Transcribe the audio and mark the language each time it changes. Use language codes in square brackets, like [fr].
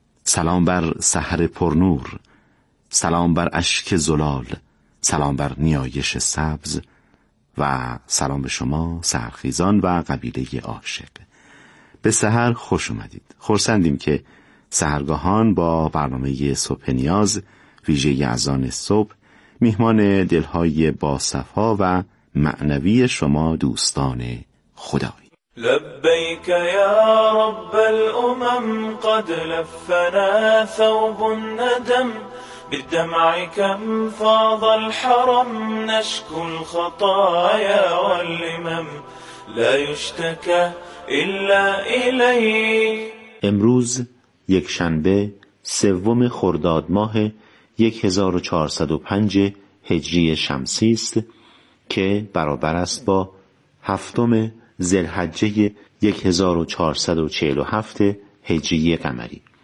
[fa] سلام بر سحر پرنور، سلام بر اشک زلال، سلام بر نیایش سبز و سلام به شما سحرخیزان و قبیله عاشق. به سحر خوش اومدید. خرسندیم که سحرگاهان با برنامه صبح نیاز ویژه اذان صبح میهمان دلهای باصفا و معنوی شما دوستان خدایی. [ar] لبيك يا رب الأمم قد لفنا ثوب الندم، بالدمع كم فاض الحرم نشكو الخطايا واللمم، لا يشتكى إلا إلي. [fa] امروز یک شنبه سوم خرداد ماه 1405 هجری شمسی است که برابر است با هفتم ذی‌الحجه 1447 هجری قمری.